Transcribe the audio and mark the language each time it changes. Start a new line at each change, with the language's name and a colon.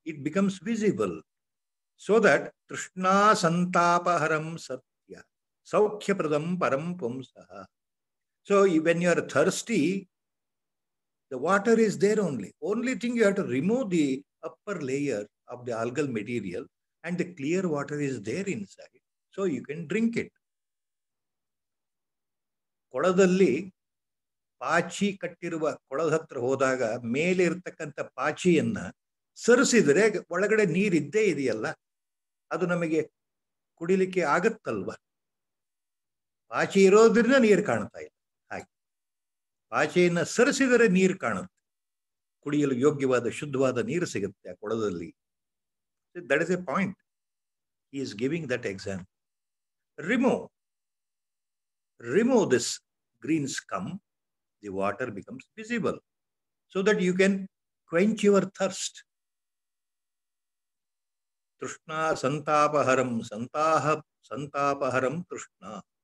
English: It becomes visible. So that
Sanskrit: trishna santapaharam satya saukhya pradam param pumsaha.
English: So when you are thirsty, the water is there only. Only thing, you have to remove the upper layer of the algal material and the clear water is there inside. So you can drink it.
Kannada: ಕೊಳದಲ್ಲಿ ಪಾಚಿ ಕಟ್ಟಿರುವ ಕೊಳದ ಹತ್ರ ಹೋದಾಗ ಮೇಲೆ ಇರತಕ್ಕಂಥ ಪಾಚಿಯನ್ನ ಸರಿಸಿದರೆ ಒಳಗಡೆ ನೀರಿದ್ದೇ ಇದೆಯಲ್ಲ, ಅದು ನಮಗೆ ಕುಡಿಲಿಕ್ಕೆ ಆಗತ್ತಲ್ವ? ಪಾಚಿ ಇರೋದ್ರಿಂದ ನೀರು ಕಾಣ್ತಾ ಇಲ್ಲ. ಹಾಗೆ ಪಾಚಿಯನ್ನ ಸರಿಸಿದರೆ ನೀರು ಕಾಣುತ್ತೆ, ಕುಡಿಯಲು ಯೋಗ್ಯವಾದ ಶುದ್ಧವಾದ ನೀರು ಸಿಗುತ್ತೆ ಆ ಕೊಳದಲ್ಲಿ.
English: That is a point he is giving that example. Remove this green scum, the water becomes visible so that you can quench your thirst.
Sanskrit: Trishna santapaharam santapaharam trishna.